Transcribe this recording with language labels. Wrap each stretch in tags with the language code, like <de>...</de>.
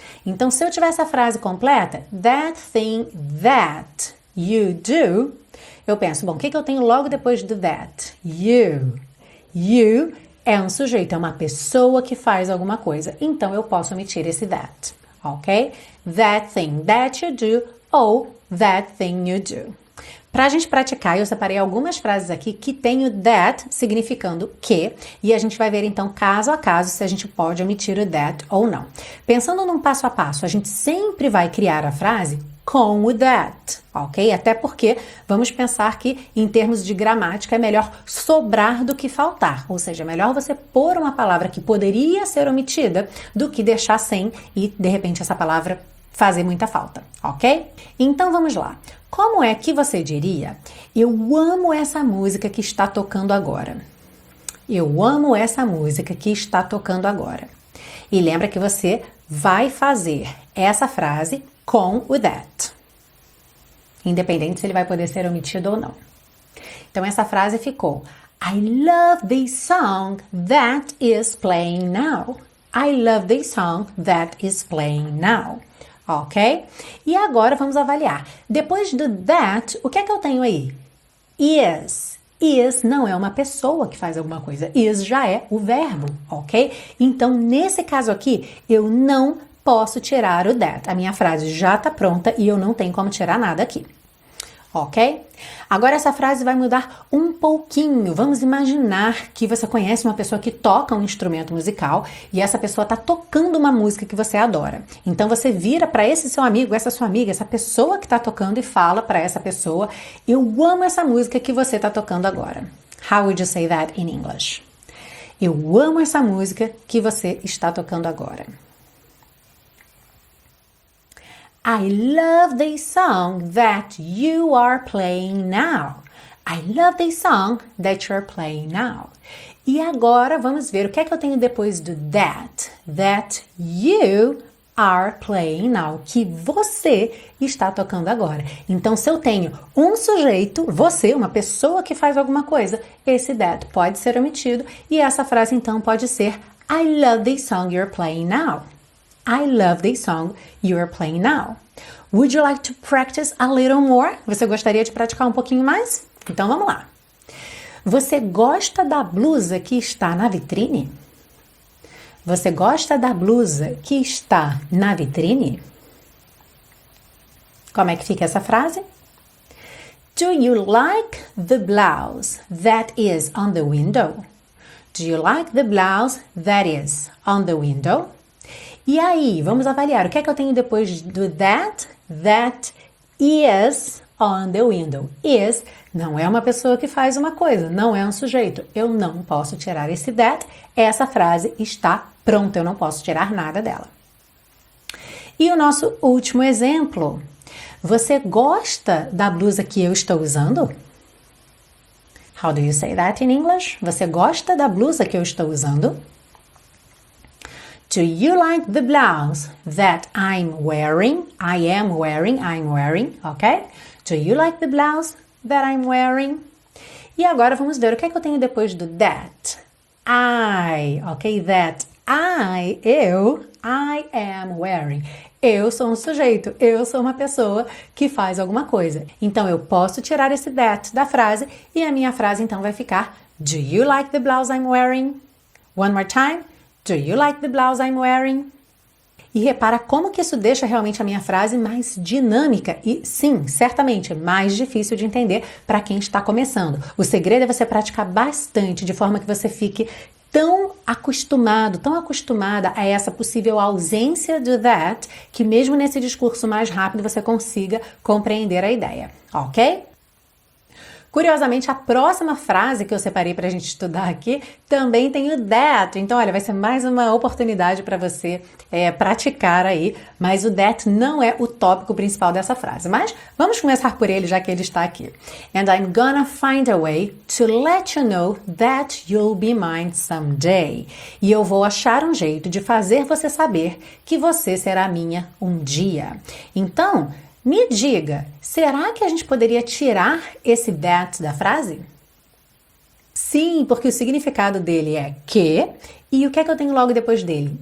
<pt>Então, se eu tiver essa frase completa,</pt> <en>that thing that you do,</en> <pt>eu penso, bom, o que que eu tenho logo depois do that? You. You é um sujeito, é uma pessoa que faz alguma coisa. Então, eu posso omitir esse that, ok?</pt> <en>That thing that you do</en> <pt>ou</pt> <en>that thing you do.</en> <pt>Para a gente praticar, eu separei algumas frases aqui que tem o that significando que, e a gente vai ver então caso a caso se a gente pode omitir o that ou não. Pensando num passo a passo, a gente sempre vai criar a frase com o that, ok? Até porque vamos pensar que em termos de gramática é melhor sobrar do que faltar, ou seja, é melhor você pôr uma palavra que poderia ser omitida do que deixar sem e de repente essa palavra fazer muita falta, ok? Então vamos lá. Como é que você diria? Eu amo essa música que está tocando agora. Eu amo essa música que está tocando agora. E lembra que você vai fazer essa frase com o that, independente se ele vai poder ser omitido ou não. Então essa frase ficou:</pt> <en>I love this song that is playing now. I love this song that is playing now.</en> <pt>Ok? E agora vamos avaliar. Depois do that, o que é que eu tenho aí? Is. Is não é uma pessoa que faz alguma coisa. Is já é o verbo, ok? Então, nesse caso aqui, eu não posso tirar o that. A minha frase já está pronta e eu não tenho como tirar nada aqui. Ok? Agora essa frase vai mudar um pouquinho. Vamos imaginar que você conhece uma pessoa que toca um instrumento musical e essa pessoa está tocando uma música que você adora. Então você vira para esse seu amigo, essa sua amiga, essa pessoa que está tocando e fala para essa pessoa: eu amo essa música que você está tocando agora.</pt> <en>How would you say that in English?</en> <pt>Eu amo essa música que você está tocando agora.</pt> <en>I love this song that you are playing now. I love this song that you're playing now.</en> <pt>E agora vamos ver o que é que eu tenho depois do</pt> <en>that you are playing now,</en> <pt>que você está tocando agora. Então, se eu tenho um sujeito, você, uma pessoa que faz alguma coisa, esse that pode ser omitido e essa frase então pode ser</pt> <en>I love this song you're playing now. I love this song you're playing now. Would you like to practice a little more?</en> <pt>Você gostaria de praticar um pouquinho mais? Então vamos lá. Você gosta da blusa que está na vitrine? Você gosta da blusa que está na vitrine? Como é que fica essa frase?</pt> <en>Do you like the blouse that is on the window? Do you like the blouse that is on the window?</en> <pt>E aí, vamos avaliar. O que é que eu tenho depois do that?</pt> <en>That is on the window.</en> <pt>Is não é uma pessoa que faz uma coisa, não é um sujeito. Eu não posso tirar esse that. Essa frase está pronta, eu não posso tirar nada dela. E o nosso último exemplo. Você gosta da blusa que eu estou usando?</pt> <en>How do you say that in English?</en> <pt>Você gosta da blusa que eu estou usando?</pt> <en>Do you like the blouse that I'm wearing? I am wearing, I'm wearing, ok? Do you like the blouse that I'm wearing?</en> <pt>E agora vamos ver o que é que eu tenho depois do that. I, ok?</pt> <en>That I, eu, I am wearing.</en> <pt>Eu sou um sujeito, eu sou uma pessoa que faz alguma coisa. Então eu posso tirar esse that da frase e a minha frase então vai ficar:</pt> <en>Do you like the blouse I'm wearing? One more time. Do you like the blouse I'm wearing?</en> <pt>E repara como que isso deixa realmente a minha frase mais dinâmica e, sim, certamente mais difícil de entender para quem está começando. O segredo é você praticar bastante, de forma que você fique tão acostumado, tão acostumada a essa possível ausência do that, que mesmo nesse discurso mais rápido você consiga compreender a ideia, ok? Curiosamente, a próxima frase que eu separei para a gente estudar aqui também tem o that. Então, olha, vai ser mais uma oportunidade para você praticar aí. Mas o that não é o tópico principal dessa frase. Mas vamos começar por ele, já que ele está aqui.</pt> <en>And I'm gonna find a way to let you know that you'll be mine someday.</en> <pt>E eu vou achar um jeito de fazer você saber que você será minha um dia. Então, me diga, será que a gente poderia tirar esse that da frase? Sim, porque o significado dele é que, e o que é que eu tenho logo depois dele?</pt>